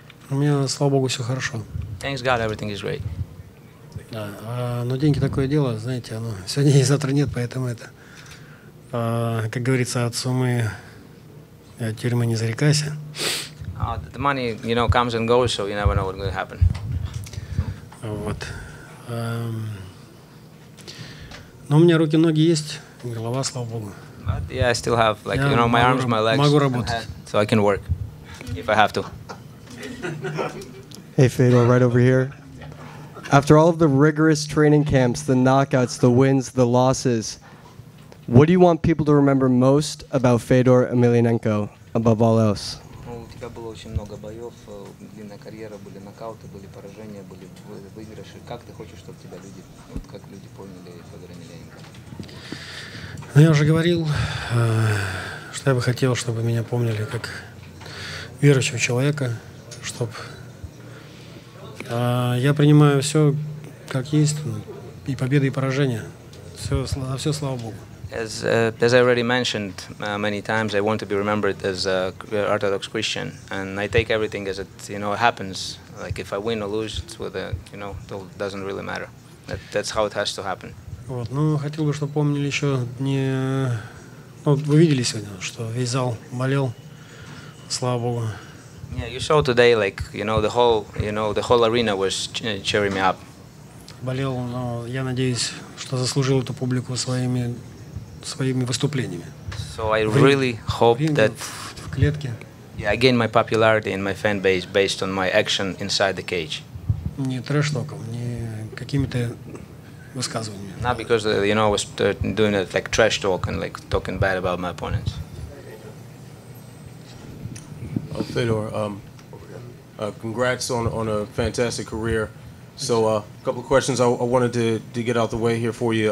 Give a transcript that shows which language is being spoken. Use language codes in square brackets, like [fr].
[ru] У меня, слава богу, все хорошо. [en] Thanks God, everything is great. [ru] Да, но деньги такое дело, знаете, оно сегодня и завтра нет, поэтому это, как говорится, от суммы тюрьмы не зарекайся. [en] The money, you know, comes and goes, so you never know what's going to happen. [ru] Вот. Но у меня руки, ноги есть, голова, слава богу. [en] But yeah, I still have, like, you know, my arms, my legs. [ru] Могу работать. [en] So I can work if I have to. Hey, Fedor, right over here. After all of the rigorous training camps, the knockouts, the wins, the losses, what do you want people to remember most about Fedor Emelianenko, above all else? [ru] Well, у тебя было очень много боев, длинная карьера, были нокауты, были поражения, были выигрыши. Как ты хочешь, чтобы тебя люди, вот как люди поняли Федора Емельяненко? Ну, я уже говорил, что я бы хотел, чтобы меня помнили как верующего человека. Чтоб я принимаю все как есть, и победы, и поражения. Все, на все слава Богу. [en] As I already mentioned many times, I want to be remembered as a Orthodox Christian, and I take everything as it, you know, happens. Like if I win or lose, it's with a, you know, it doesn't really matter. That's how it has to happen. [ru] Вот, ну хотел бы, чтобы помнили еще дни. Ну, вы видели сегодня, что весь зал болел. Слава Богу. [en] Yeah, you saw today, like, you know, the whole, you know, the whole arena was cheering me up. [ru] Болел, но я надеюсь, что заслужил эту публику своими выступлениями. [en] So I really hope that [ru] в клетке. [en] Yeah, I gained my popularity and my fan base based on my action inside the cage. [ru] Не трэш-током, не какими-то высказываниями. [en] Not because you know I was doing it like trash talk and like talking bad about my opponents. Fedor, congrats on a fantastic career. So a couple of questions I wanted to get out the way here for you.